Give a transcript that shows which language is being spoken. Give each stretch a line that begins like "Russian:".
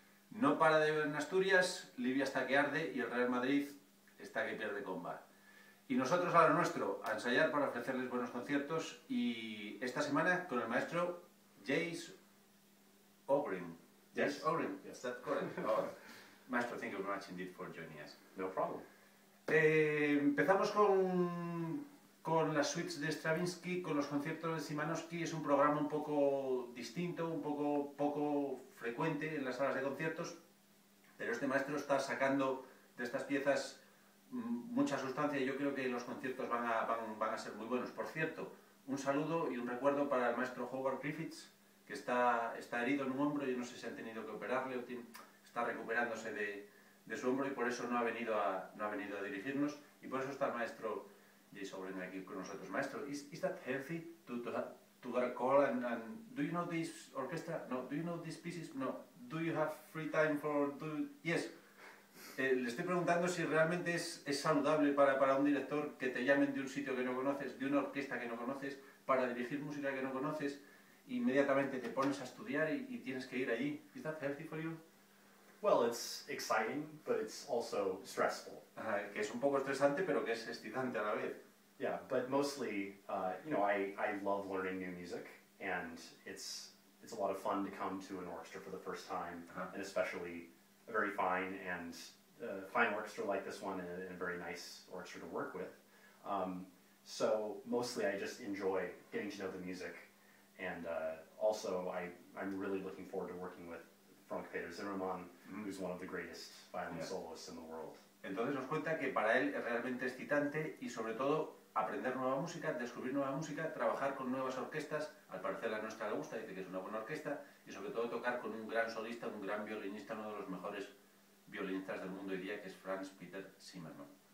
Spanish: No para de llover en Asturias, Libia está que arde y el Real Madrid está que pierde comba. Y nosotros a lo nuestro, a ensayar para ofrecerles buenos conciertos y esta semana con el maestro Jayce Ogren. Jayce
English: Ogren, yes, that's correct. Maestro, thank you very much indeed for joining us. No problem.
Spanish: Empezamos con las suites de Stravinsky, con los conciertos de Szymanowski. Es un programa un poco distinto, un poco frecuente en las salas de conciertos, pero este maestro está sacando de estas piezas mucha sustancia y yo creo que los conciertos van a ser muy buenos. Por cierto, un saludo y un recuerdo para el maestro Howard Griffiths, que está herido en un hombro. Yo no sé si han tenido que operarle o está recuperándose de su hombro y por eso no ha venido a dirigirnos, y por eso está el maestro Jayce Ogren aquí con nosotros.
English: Maestro, is that healthy to get a call and do you know this orchestra? No, do you know these pieces? No, do you have free time for... Yes,
Spanish: le estoy preguntando si realmente es saludable para un director que te llamen de un sitio que no conoces, de una orquesta que no conoces, para dirigir música que no conoces, e inmediatamente te pones a estudiar y tienes que ir allí.
English: Is that healthy for you? Well, it's exciting, but it's also stressful.
Spanish: Que es un poco estresante, pero que es excitante a la vez.
English: Yeah, but mostly, I love learning new music, and it's a lot of fun to come to an orchestra for the first time, uh-huh. and especially a very fine and fine orchestra like this one, and a very nice orchestra to work with. So mostly, I just enjoy getting to know the music, and also I'm really looking forward to working with Frank Peter Zimmermann, mm-hmm. who's one of the greatest violin yeah. soloists in the world.
Spanish: Entonces nos cuenta que para él es realmente excitante y sobre todo aprender nueva música, descubrir nueva música, trabajar con nuevas orquestas. Al parecer la nuestra le gusta, dice que es una buena orquesta, y sobre todo tocar con un gran solista, un gran violinista, uno de los mejores violinistas del mundo hoy día, que es Franz Peter Zimmermann.